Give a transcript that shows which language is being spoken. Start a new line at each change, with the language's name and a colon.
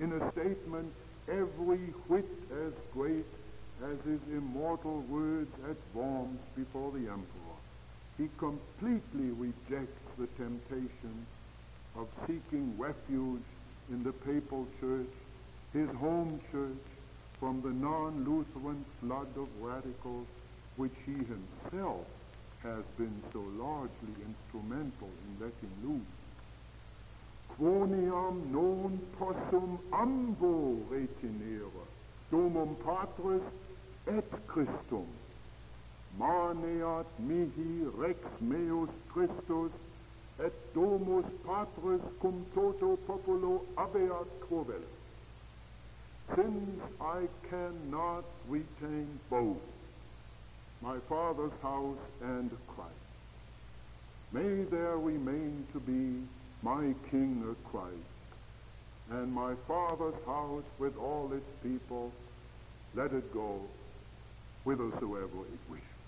English: In a statement every whit as great as his immortal words at Worms before the emperor, he completely rejects the temptation of seeking refuge in the papal church, his home church, from the non-Lutheran flood of radicals which he himself has been so largely instrumental in letting loose.
Latin: Quoniam non possum ambo retinere, domum patris et Christum. Maneat mihi rex meus Christus et domus patris cum toto populo abeat quo vel.
English: Since I cannot retain both my father's house and Christ, may there remain to be my King of Christ, and my father's house with all its people, let it go whithersoever it wishes.